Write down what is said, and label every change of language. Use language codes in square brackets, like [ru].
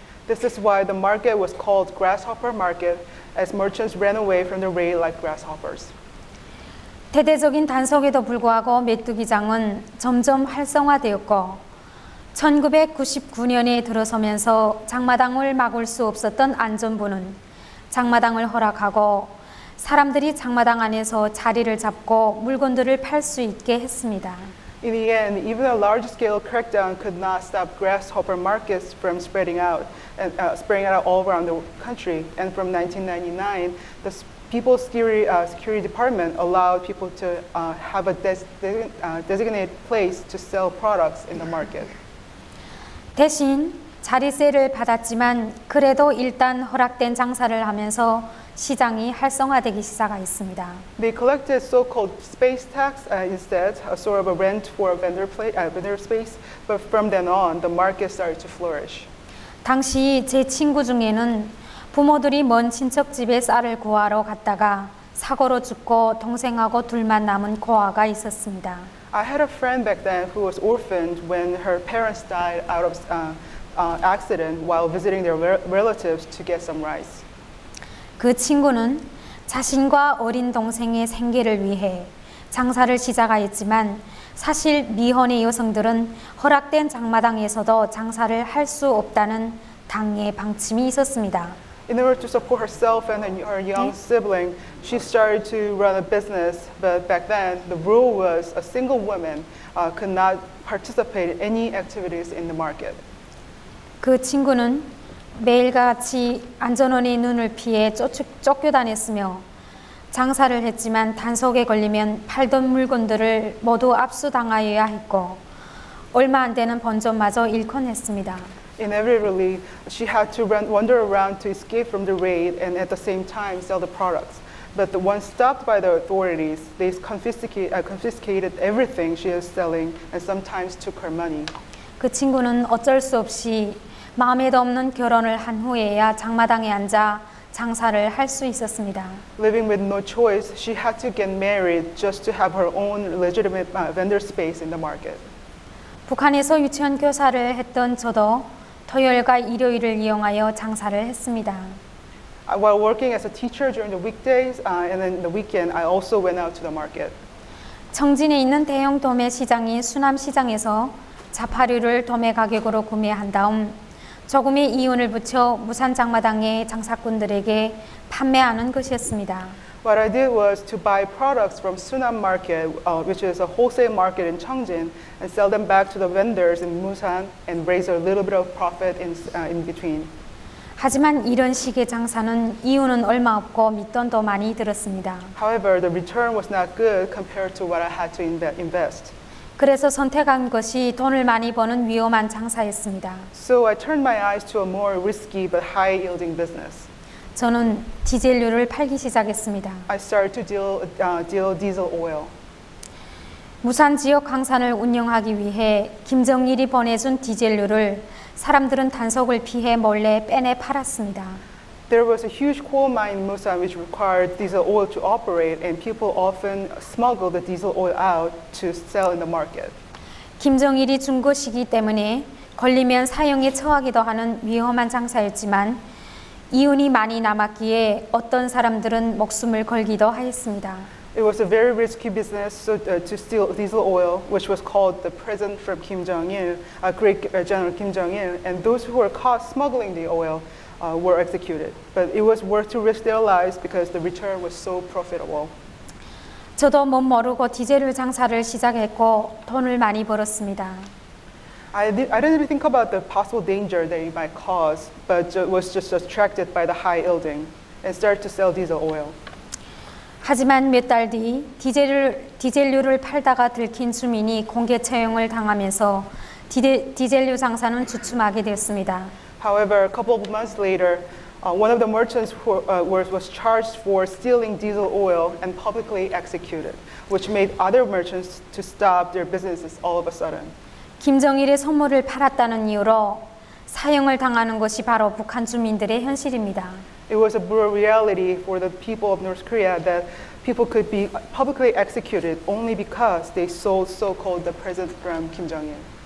[en] This is why the market was called Grasshopper Market, as merchants ran away from the raid like grasshoppers. [ko] 대대적인 단속에도 불구하고 메뚜기장은 점점 활성화되었고 1999년에 들어서면서 장마당을 막을 수 없었던 안전부는 장마당을 허락하고 사람들이 장마당 안에서 자리를 잡고 물건들을 팔 수 있게 했습니다. [en] In the end, even a large-scale crackdown could not stop grasshopper markets from spreading out and spreading out all around the country. And from 1999, the People's Security Department allowed people to have a designated place to sell products in the market. [ko] 대신 자리세를 받았지만 그래도 일단 허락된 장사를 하면서 시장이 활성화되기 시작했습니다. [en] They collected so-called space tax instead, a sort of a rent for a vendor space, but from then on, the market started to flourish. [ko] 당시 제 친구 중에는 부모들이 먼 친척 집에 쌀을 구하러 갔다가 사고로 죽고 동생하고 둘만 남은 고아가 있었습니다. [en] I had a friend back then who was orphaned when her parents died out of accident while visiting their relatives to get some rice. [ko] 그 친구는 자신과 어린 동생의 생계를 위해 장사를 시작하였지만 사실 미혼의 여성들은 허락된 장마당에서도 장사를 할 수 없다는 당의 방침이 있었습니다. [en] In order to support herself and her young sibling, she started to run a business. But back then, the rule was a single woman could not participate in any activities in the market. [ko] 그 친구는 매일같이 안전원의 눈을 피해 쫓겨다녔으며 장사를 했지만 단속에 걸리면 팔던 물건들을 모두 압수당하여야 했고 얼마 안 되는 번전마저 잃곤 했습니다. [en] Inevitably, she had to wander around to escape from the raid and at the same time sell the products. But the once stopped by the authorities, they confiscated everything she was selling and sometimes took her money. [ko] 그 친구는 어쩔 수 없이 마음에도 없는 결혼을 한 후에야 장마당에 앉아 장사를 할 수 있었습니다. [en] Living with no choice, she had to get married just to have her own legitimate vendor space in the market. [ko] 북한에서 유치원 교사를 했던 저도 토요일과 일요일을 이용하여 장사를 했습니다. [en] While working as a teacher during the weekdays and then the weekend, I also went out to the market. [ko] 청진에 있는 대형 도매 시장인 수남 시장에서 자파류를 도매 가격으로 구매한 다음 조금의 이윤을 붙여 무산 장마당의 장사꾼들에게 판매하는 것이었습니다. [en] What I did was to buy products from Sunam Market, which is a wholesale market in Cheongjin, and sell them back to the vendors in Musan and raise a little bit of profit in between. [ko] 하지만 이런 식의 장사는 이윤은 얼마 없고 밑돈도 많이 들었습니다. [en] However, the return was not good compared to what I had to invest. [ko] 그래서 선택한 것이 돈을 많이 버는 위험한 장사였습니다. [en] So I turned my eyes to a more risky but high-yielding business. [ko] 저는 디젤유를 팔기 시작했습니다. [en] I started to deal diesel oil. [ko] 무산 지역 광산을 운영하기 위해 김정일이 보내준 디젤유를 사람들은 단속을 피해 몰래 빼내 팔았습니다. [en] There was a huge coal mine in Musan which required diesel oil to operate, and people often smuggled the diesel oil out to sell in the market. [ko] 김정일이 준 것이기 때문에 걸리면 사형에 처하기도 하는 위험한 장사였지만 이윤이 많이 남았기에 어떤 사람들은 목숨을 걸기도 하였습니다. [en] It was a very risky business to steal diesel oil, which was called the present from Kim Jong-il, great general Kim Jong-il, and those who were caught smuggling the oil were executed. But it was worth to risk their lives because the return was so profitable. [ko] 저도 못 모르고 디젤을 장사를 시작했고 돈을 많이 벌었습니다. [en] I didn't think about the possible danger that it might cause, but was just attracted by the high yielding and started to sell diesel oil. [ko] 하지만 몇 달 뒤 디젤유를 팔다가 들킨 주민이 공개 처형을 당하면서 디젤유 장사는 주춤하게 되었습니다. [en] However, a couple of months later, one of the merchants was charged for stealing diesel oil and publicly executed, which made other merchants to stop their businesses all of a sudden. [ko] 김정일의 선물을 팔았다는 이유로 사형을 당하는 것이 바로 북한 주민들의 현실입니다. [en] It was a brutal reality for the people of North Korea that people could be publicly executed only because they sold so-called the present from Kim Jong-il.